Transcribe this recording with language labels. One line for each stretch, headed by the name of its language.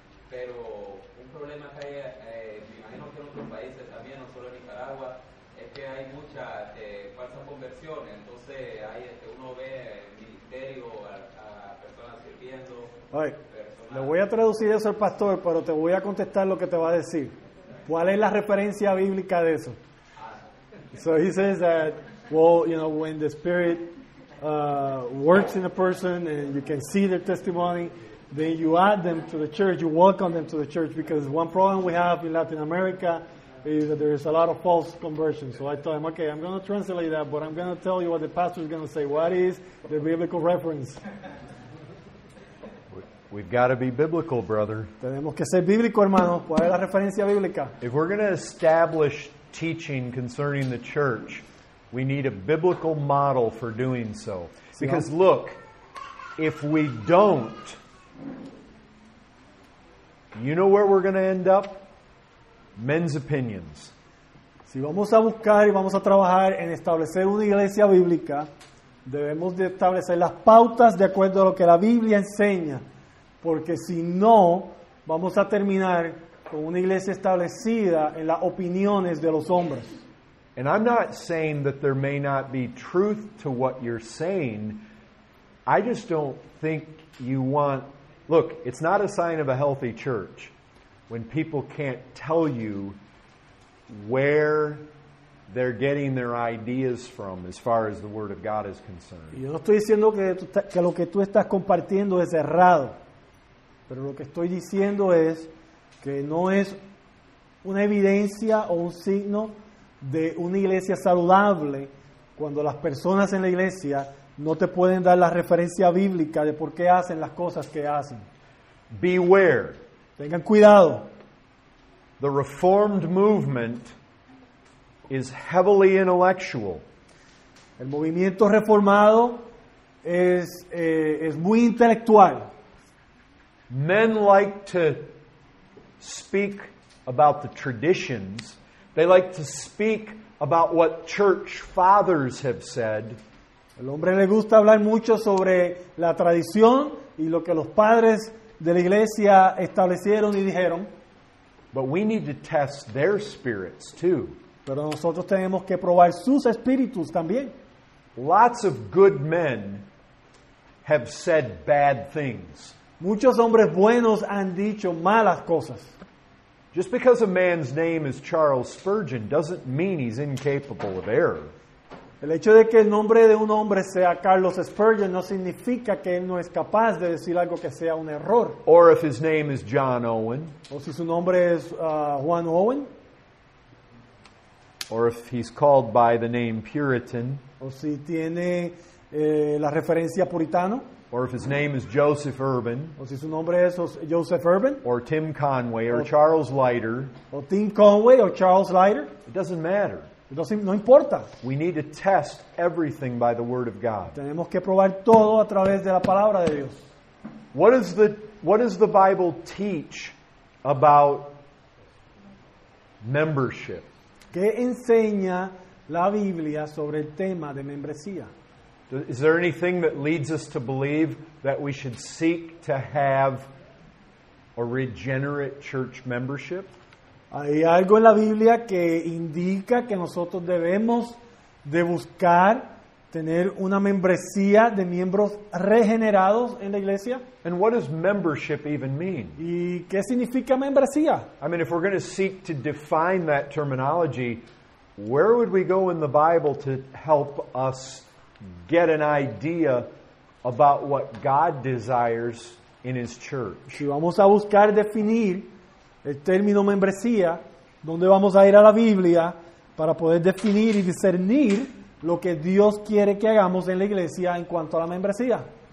Spanish: Pero un problema que hay, me imagino que en otros países también, no solo en Nicaragua, es que hay muchas falsas conversiones. Entonces hay uno ve ministerio a personas sirviendo. Oye, le voy a traducir eso al pastor, pero te voy a contestar lo que te va a decir. ¿Cuál es la referencia bíblica de eso?
English: So he says that, well, you know, when the Spirit works in a person and you can see their testimony, then you add them to the church, you welcome them to the church, because one problem we have in Latin America is that there is a lot of false conversion. So I told him, okay, I'm going to translate that, but I'm going to tell you what the pastor is going to say. What is the biblical reference? We've got to be biblical, brother.
Spanish: Tenemos que ser bíblico, hermano. ¿Cuál es la referencia bíblica?
English: If we're going to establish teaching concerning the church, we need a biblical model for doing so. Because look, if we don't, you know where we're going to end up? Men's opinions.
Spanish: Si vamos a buscar y vamos a trabajar en establecer una iglesia bíblica, Debemos de establecer las pautas de acuerdo a lo que la Biblia enseña, porque si no, vamos a terminar con una iglesia establecida en las opiniones de los hombres.
English: And I'm not saying that there may not be truth to what you're saying. I just don't think you want... Look, it's not a sign of a healthy church when people can't tell you where they're getting their ideas from as far as the Word of God is concerned.
Spanish: Yo no estoy diciendo que lo que tú estás compartiendo es errado. Pero lo que estoy diciendo es que no es una evidencia o un signo de una iglesia saludable cuando las personas en la iglesia no te pueden dar la referencia bíblica de por qué hacen las cosas que hacen.
English: Beware.
Spanish: Tengan cuidado.
English: The Reformed movement is heavily intellectual.
Spanish: El movimiento reformado es muy intelectual.
English: Men like to speak about the traditions. They like to speak about what church fathers have said.
Spanish: El hombre le gusta hablar mucho sobre la tradición y lo que los padres de la iglesia establecieron y dijeron.
English: But we need to test their spirits too.
Spanish: Pero nosotros tenemos que probar sus espíritus también.
English: Lots of good men have said bad things.
Spanish: Muchos hombres buenos han dicho malas cosas.
English: Just because a man's name is Charles Spurgeon doesn't mean he's incapable of error.
Spanish: El hecho de que el nombre de un hombre sea Carlos Spurgeon no significa que él no es capaz de decir algo que sea un error.
English: Or if his name is John Owen.
Spanish: O si su nombre es Juan Owen.
English: Or if he's called by the name Puritan.
Spanish: O si tiene la referencia puritano.
English: Or if his name is Joseph Urban.
Spanish: O si su nombre es Joseph Urban.
English: Or Tim Conway or Charles Leiter.
Spanish: O Tim Conway o Charles Leiter.
English: It doesn't matter.
Spanish: No importa.
English: We need to test everything by the Word of God.
Spanish: Tenemos que probar todo a través de la palabra de Dios.
English: What does the Bible teach about membership?
Spanish: ¿Qué enseña la Biblia sobre el tema de membresía?
English: Is there anything that leads us to believe that we should seek to have a regenerate church membership?
Spanish: ¿Hay algo en la Biblia que indica que nosotros debemos de buscar tener una membresía de miembros regenerados en la iglesia?
English: And what does membership even mean?
Spanish: ¿Y qué significa membresía?
English: I mean, if we're going to seek to define that terminology, where would we go in the Bible to help us get an idea about what God desires in His church?
Spanish: Si vamos a buscar definir el término membresía, ¿dónde vamos a ir a la Biblia para poder definir y discernir lo que Dios quiere que hagamos en la iglesia en cuanto a la membresía?